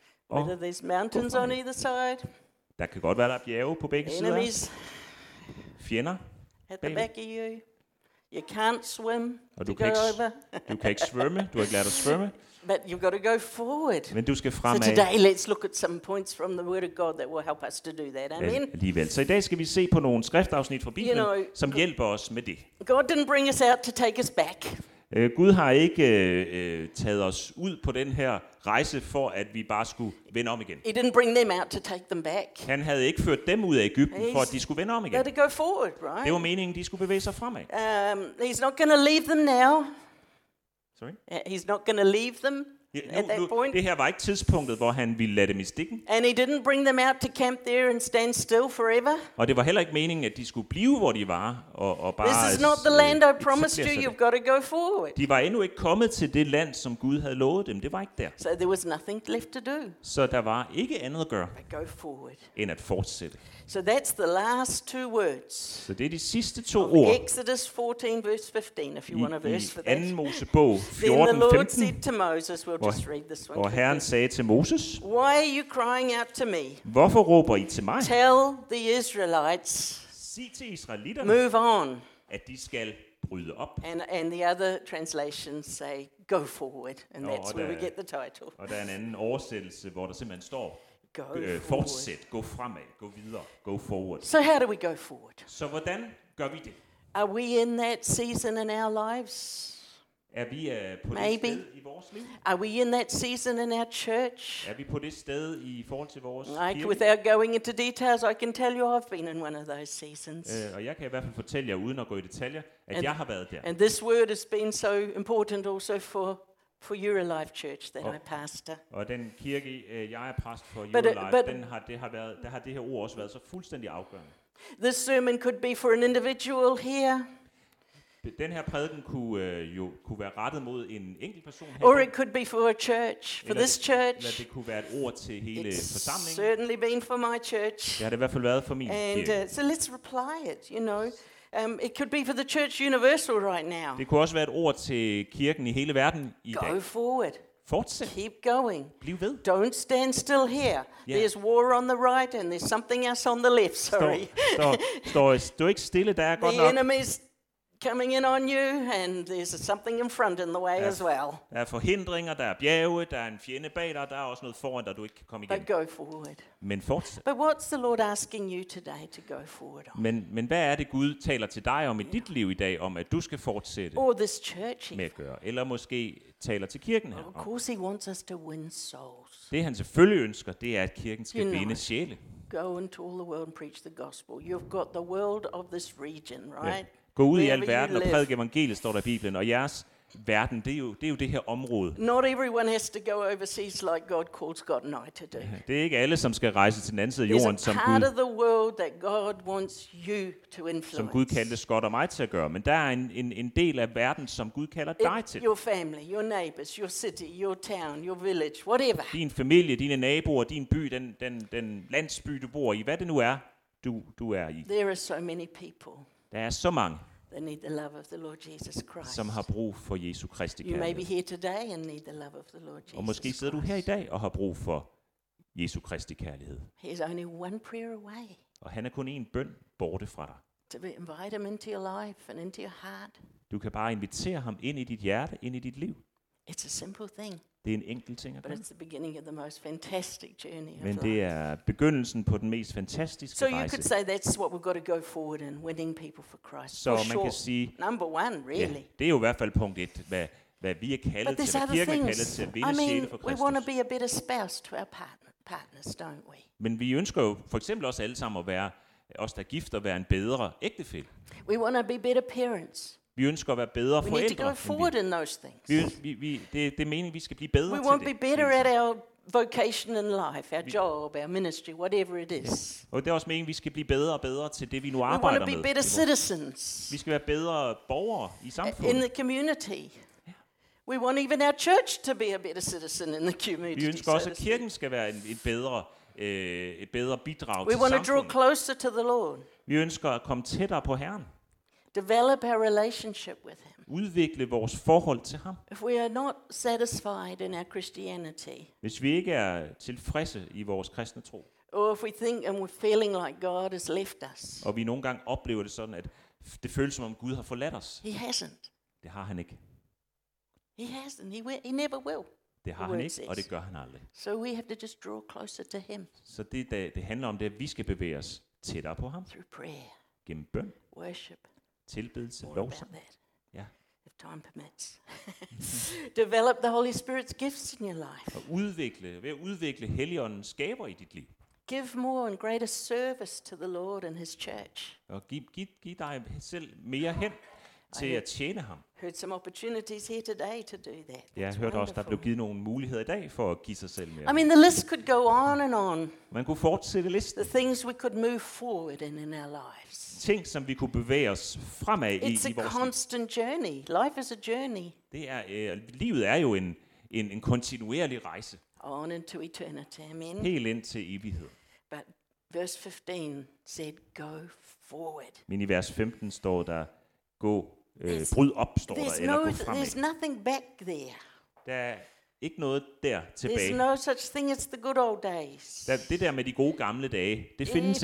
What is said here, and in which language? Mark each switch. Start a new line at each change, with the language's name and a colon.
Danish: Og
English: whether there's mountains on either side.
Danish: Der kan godt være der er bjerge på begge
English: enemies
Danish: sider. Fjender.
English: At the back of you. You can't swim.
Danish: Og du kan ikke, du kan ikke svømme. Du har ikke lært at svømme.
English: But you've got to go forward.
Danish: Men du skal fremad.
English: So today let's look at some points from the Word of God that will help us to do that. Amen.
Danish: Alligevel. Så i dag skal vi se på nogle skriftafsnit fra Bibelen,
English: you know,
Danish: som hjælper os med det.
English: God didn't bring us out to take us back.
Danish: Gud har ikke taget os ud på den her rejse for at vi bare skulle vende om igen.
English: He didn't bring them out to take them back.
Danish: Han havde ikke ført dem ud af Egypten for at de skulle vende om igen.
English: They had to go forward, right?
Danish: Det var meningen, de skulle bevæge sig fremad.
English: He's not going to leave them now. Sorry? He's not going to leave them at that point.
Danish: Det her var ikke tidspunktet, hvor han ville lade dem i stikken.
English: And he didn't bring them out to camp there and stand still forever.
Danish: Og det var heller ikke meningen, at de skulle blive hvor de var og bare.
English: This is not the land I promised you. You've got to go forward.
Danish: De var endnu ikke kommet til det land, som Gud havde lovet dem. Det var ikke der.
English: So there was nothing left to do.
Danish: Så der var ikke andet at gøre.
English: But go forward.
Danish: End at fortsætte.
English: So that's the last two words.
Danish: Så det er de sidste to ord.
English: Exodus 14 verse 15, if you want a verse for that.
Danish: I 2. Mosebog 14:15.
English: Then the Lord said to Moses, we'll just read this one.
Danish: Og Herren sagde til Moses.
English: Why are you crying out to me?
Danish: Hvorfor råber I til mig?
English: Tell the Israelites.
Danish: Sig til israeliterne.
English: Move on.
Danish: At de skal bryde op.
English: And the other translations say, go forward. And that's where we get the title.
Danish: Og der er en anden oversættelse, hvor der simpelthen står. Fortsæt, gå fremad, gå videre,
English: go forward. So how do we go forward?
Danish: Så hvordan gør vi det?
English: Are we in that season in our lives?
Danish: Er vi på
English: Maybe.
Danish: Det sted i vores liv?
English: Are we in that season in our church?
Danish: Er vi på det sted i forhold til vores
English: like
Danish: kirke?
English: Without going into details, I can tell you I've been in one of those seasons.
Danish: Og jeg kan i hvert fald fortælle jer uden at gå i detaljer, at jeg har været der.
English: And this word has been so important also for your life church that I pastor.
Danish: Og den kirke jeg er præst for your life, har det her ord også været så fuldstændig afgørende.
English: This sermon could be for an individual here.
Danish: Den her prædiken kunne være rettet mod en enkelt person her.
English: Or it could be for a church, for this church.
Danish: Eller det kunne være et ord til hele
English: It's
Danish: forsamlingen.
English: It's certainly been for my church.
Danish: Det har det i hvert fald været for min
English: And,
Danish: kirke.
English: So let's reply it, you know. It could be for the church universal right now.
Danish: Det kunne også være et ord til kirken i hele verden i
English: Go
Danish: dag.
English: Go forward.
Danish: Fortsæt.
English: Keep going.
Danish: Bliv ved.
English: Don't stand still here. Yeah. There's war on the right and there's something else on the left. Sorry.
Danish: Stå ikke stille, der er godt
English: the
Danish: nok.
English: The enemy's coming in on you, and there's something in front in the way as well.
Danish: Der er forhindringer, der er bjerge, der er en fjende bag dig, der er også noget foran dig, du ikke kan komme igennem.
English: But go forward.
Danish: Men fortsæt.
English: But what's the Lord asking you today to go forward on?
Danish: Men hvad er det Gud taler til dig om i dit liv i dag om at du skal fortsætte?
English: Or this church
Danish: med at gøre, eller måske taler til kirken her.
English: Of course he wants us to win souls.
Danish: Det han selvfølgelig ønsker, det er at kirken skal vinde sjæle.
English: Go into all the world and preach the gospel. You've got the world of this region, right? Yeah.
Danish: Gå ud i al verden og prædike evangeliet, står der i Bibelen, og jeres verden, det er jo det her område.
English: Not everyone has to go overseas like God calls God and I to do.
Danish: Det er ikke alle, som skal rejse til den anden side af jorden, som Gud.
English: There's a part of the world that God wants you to influence.
Danish: Som Gud kalder Scott og mig til at gøre, men der er en del af verden, som Gud kalder dig til.
English: Your family, your neighbors, your city, your town, your village, whatever.
Danish: Din familie, dine naboer, din by, den landsby du bor i, hvad det nu er, du er i.
English: There are so many people.
Danish: Der er så mange,
English: they need the love of the Lord Jesus Christ.
Danish: Som har brug for Jesu Kristi kærlighed.
English: You may be here today and need the love of the Lord Jesus.
Danish: Og måske sidder du her i dag og har brug for Jesu Kristi kærlighed.
English: He is only one prayer away.
Danish: Og han er kun en bøn borte fra dig.
English: To invite him into your life and into your heart.
Danish: Du kan bare invitere ham ind i dit hjerte, ind i dit liv.
English: It's a simple thing.
Danish: Det er en enkel ting at gøre.
English: But it's the beginning of the most fantastic journey.
Danish: Men det er begyndelsen på den mest fantastiske rejse.
English: So you could say that's what we've got to go forward in, winning people for Christ.
Danish: Så man kan sige,
English: number one, really.
Danish: Ja, det er jo i hvert fald punkt et, hvad vi er kaldet til, hvad kirken er kaldet til at vinde sjæle for Kristus.
English: We want to be a better spouse to our partners, don't we?
Danish: Men vi ønsker jo for eksempel også alle sammen at være os der gift og være en bedre ægtefælle.
English: We want to be better parents.
Danish: Vi ønsker at være bedre forældre.
English: We need to go forward in those things.
Danish: Det er meningen, vi skal blive bedre til det.
English: We want to be better at our vocation in life, our job, our ministry, whatever it is.
Danish: Og det er også meningen, vi skal blive bedre og bedre til det, vi nu arbejder med.
English: We want to be better citizens.
Danish: Vi skal være bedre borgere i samfundet.
English: In the community. We want even our church to be a better citizen in the community.
Danish: Vi ønsker også, at kirken skal være et bedre bidrag til samfundet.
English: We want to draw closer to the Lord.
Danish: Vi ønsker at komme tættere på Herren.
English: Develop our relationship with him.
Danish: Udvikle vores forhold til ham.
English: If we are not satisfied in our Christianity.
Danish: Hvis vi ikke er tilfredse i vores kristne tro.
English: Or if we think and we're feeling like God has left us.
Danish: Og vi nogle gange oplever det sådan at det føles som om Gud har forladt os.
English: He hasn't.
Danish: Det har han ikke.
English: He hasn't. He never will.
Danish: Det har han ikke, og det gør han aldrig.
English: So we have to just draw closer to him.
Danish: Så det handler om det at vi skal bevæge os tættere på ham.
English: Through prayer.
Danish: Gennem bøn.
English: Worship.
Danish: Tilbedelse, lovsang. Ja.
English: If time permits. Develop the Holy Spirit's gifts in your life.
Danish: Og udvikle, ved at udvikle Helligåndens gaver i dit liv.
English: Give more and greater service to the Lord and his church.
Danish: Og giv dig selv mere hen til at tjene ham.
English: Heard some opportunities here today to do that.
Danish: Ja, jeg hørte også, der blev givet nogle muligheder i dag for at give sig selv mere.
English: I mean, the list could go on and on.
Danish: Man kunne fortsætte listen.
English: The things we could move forward in our lives.
Danish: Ting, som vi kunne bevæge os fremad
English: It's
Danish: i vores liv.
English: It's a constant journey. Life is a journey.
Danish: Det er livet er jo en kontinuerlig rejse.
English: On into eternity, amen.
Danish: Helt ind til evighed.
English: But verse 15 said, "Go forward."
Danish: Men i vers 15 står der, "Gå, bryd op," står
English: there's
Danish: der, eller gå fremad.
English: There's nothing back there.
Danish: Der er ikke noget der tilbage.
English: There's no such thing as the good old days.
Danish: Det der med de gode gamle dage, det findes